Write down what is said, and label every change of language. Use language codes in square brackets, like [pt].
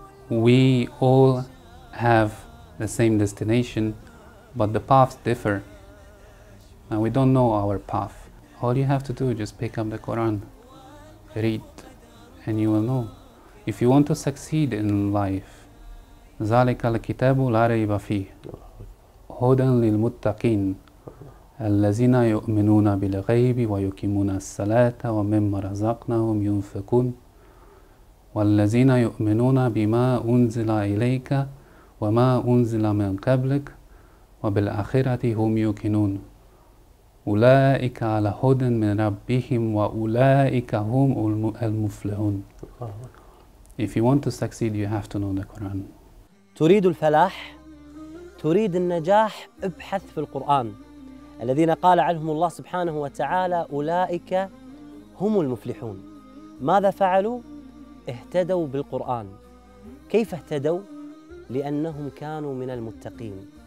[en] We all have the same destination, but the paths differ, and we don't know our path. All you have to do is just pick up the Quran, read, and you will know. If you want to succeed in life, [ar] ذَلِكَ الْكِتَابُ لَا رَيْبَ فِيهِ هُدًى لِلْمُتَّقِينَ الَّذِينَ يُؤْمِنُونَ بِالْغَيْبِ وَيُقِيمُونَ الصَّلَاةَ وَمِمَّا رَزَقْنَاهُمْ يُنْفِقُونَ وَالَّذِينَ يُؤْمِنُونَ بِمَا أُنْزِلَ إِلَيْكَ وَمَا أُنزِلَ مِنْ قَبْلِكَ وَبِالْآخِرَةِ هُمْ يُوقِنُونَ أُولَئِكَ عَلَى هُدًى مِنْ رَبِّهِمْ وَأُولَئِكَ هُمْ الْمُفْلِحُونَ. [en] If you want to succeed, you have to know the Quran. [ar] تريد الفلاح، تريد النجاح، ابحث في القرآن الذين قال عنهم الله سبحانه وتعالى أولئك هم المفلحون. ماذا فعلوا؟ اهتدوا بالقرآن. كيف اهتدوا؟ لأنهم كانوا من المتقين.